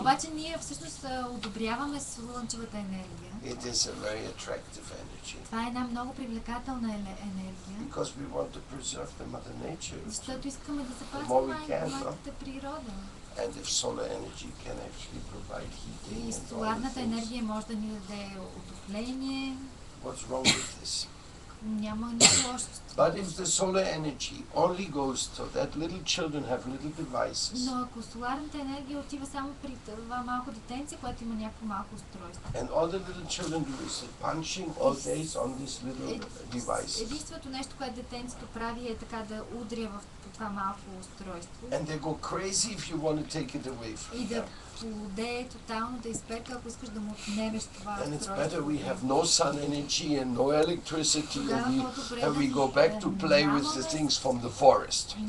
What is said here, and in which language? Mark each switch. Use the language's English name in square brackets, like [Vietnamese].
[Bulgarian] Обаче ние всъщност одобряваме слънчевата енергия. [English] It is a very attractive energy. [Bulgarian] Това е една много привлекателна енергия. [English] Because we want to preserve the mother nature. [Bulgarian] Защото искаме да запазим майката природа. [English] And if solar energy can actually provide heating. [Bulgarian] И слънчевата енергия може да ни даде отопление. [English] What's wrong with this? [Bulgarian] Няма нищо лошо. [English] But if the solar energy only goes so that little children have little devices. [Bulgarian] Но ако соларната енергия отива само при това малко детенце, което има някакво малко устройство. [English] And all the little children do is punching all day on this little device. [Bulgarian] Единственото нещо, което детенцето прави е така да удря в това малко устройство. [English] And they go crazy if you want to take it away from them. [Bulgarian] И да плуде тотално, да изпека, ако искаш да му отнемеш това устройство. [English] And it's better we have no sun energy and no electricity and we go back to play with the things from the forest.